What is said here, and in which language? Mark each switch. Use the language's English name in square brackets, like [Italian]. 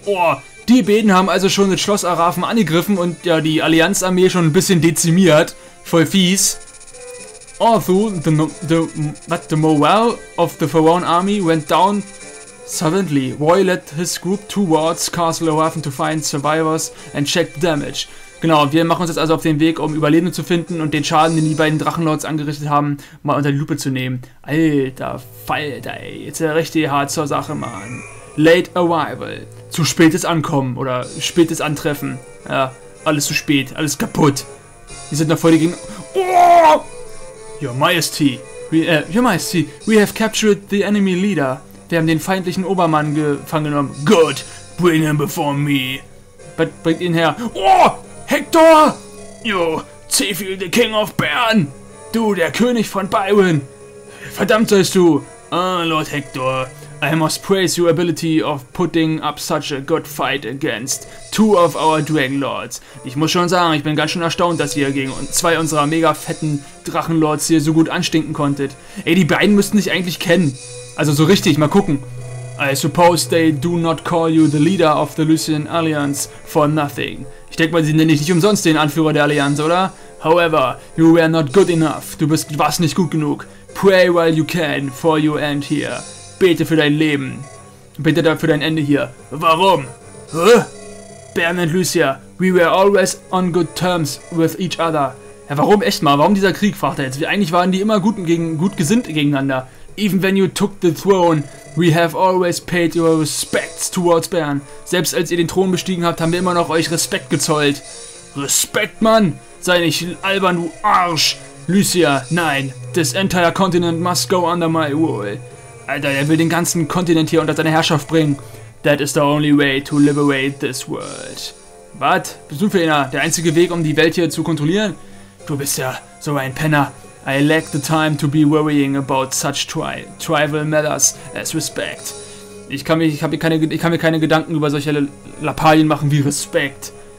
[German] Boah, die beiden haben also schon das Schloss Arafen angegriffen und ja, die Allianzarmee schon ein bisschen dezimiert. Voll fies. [English] Although the morale of the Forlorn Army went down suddenly, Roy led his group towards Castle Arafen to find survivors and check the damage. [German] Genau, wir machen uns jetzt also auf den Weg, um Überlebende zu finden und den Schaden, den die beiden Drachenlords angerichtet haben, mal unter die Lupe zu nehmen. Alter Falter, ey, jetzt ist er richtig hart zur Sache, Mann. [English] Late arrival. [German] Zu spätes Ankommen oder spätes Antreffen. Ja, alles zu spät, alles kaputt. Wir sind noch voll gegen... Oh! [English] Your Majesty, we have captured the enemy leader. [German] Wir haben den feindlichen Obermann gefangen genommen. [English] Good, bring him before me. [German] Bringt ihn her. Oh! Hector! [English] Yo, Zephiel, the King of Bern! [German] Du, der König von Byron! Verdammt sollst du! [English] Ah, Lord Hector, I must praise your ability of putting up such a good fight against two of our Dragon Lords. [German] Ich muss schon sagen, ich bin ganz schön erstaunt, dass ihr gegen zwei unserer mega fetten Drachenlords hier so gut anstinken konntet. Ey, die beiden müssten sich eigentlich kennen. Also so richtig, mal gucken. [English] I suppose they do not call you the leader of the Lucian Alliance for nothing. [German] Ich denke mal, sie nennen dich nicht umsonst den Anführer der Allianz, oder? [English] However, you were not good enough. [German] Du warst nicht gut genug. [English] Pray while you can for your end here. [German] Bete für dein Leben. Bete dafür dein Ende hier. Warum? Huh? [English] Bern und Lucia, we were always on good terms with each other. [German] Ja, warum echt mal? Warum dieser Krieg, fragt er jetzt? Eigentlich waren die immer gut gesinnt gegeneinander. [English] Even when you took the throne, we have always paid your respects towards Bern. [German] Selbst als ihr den Thron bestiegen habt, haben wir immer noch euch Respekt gezollt. Respekt, Mann! Sei nicht albern, du Arsch! Lucia, nein! [English] This entire continent must go under my rule. [German] Alter, er will den ganzen Kontinent hier unter seine Herrschaft bringen. [English] That is the only way to liberate this world. [German] Was? Bist du für ihn der einzige Weg, um die Welt hier zu kontrollieren? Du bist ja so ein Penner. [English] I lack the time to be worrying about such tribal matters as respect. [German] Ich kann mir keine Gedanken über solche Lappalien machen wie Respekt.